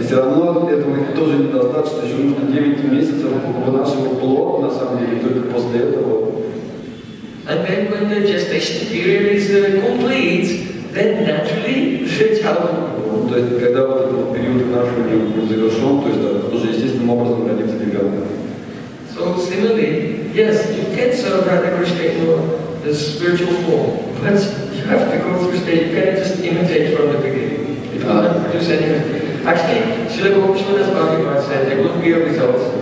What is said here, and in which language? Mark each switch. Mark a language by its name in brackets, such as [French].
[Russian] И все равно этого тоже недостаточно, еще нужно 9 месяцев вынашивать плод, на самом деле, только после этого. [English] And then when the gestation period is complete, then naturally the child will grow. [Russian] То есть когда вот этот период вынашивания завершен, то есть тоже естественным образом родится ребенок. [English] So similarly, yes, you can serve Radha Krishna in the spiritual form, but you have to go through stage, you can't just imitate from the beginning. It will not produce anything. Actually, Srila Prabhupada's Bhagavad said there will be a result.